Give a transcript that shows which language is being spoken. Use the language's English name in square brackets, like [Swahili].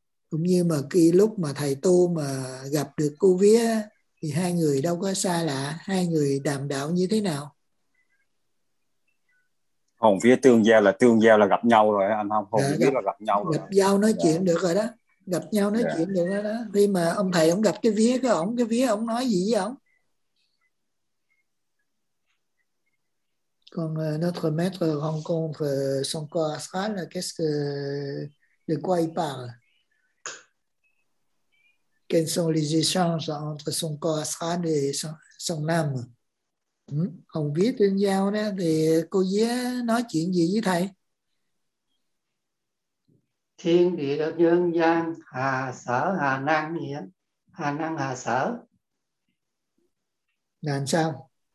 [Vietnamese] Cũng như mà khi lúc mà thầy tu mà gặp được cô vía, thì hai người đâu có xa lạ, hai người đàm đạo như thế nào. Hồn vía tương giao là gặp nhau rồi anh không? Hồn vía là gặp nhau rồi. Gặp giao nói chuyện được rồi đó. Gặp nhau nói chuyện được rồi đó. Khi mà ông thầy ông gặp cái vía cái ổng, cái vía ổng nói gì với ổng? [French] Quand notre maître rencontre son corps astral, qu'est-ce que, de quoi il parle? Quels sont les échanges entre son corps astral et son âme? [Vietnamese] Hồng vía tương giao đó, thì cô vía nói chuyện gì với thầy? Thiên địa nhân gian, hà sở hà năng gì á, hà năng hà sở. Làm sao?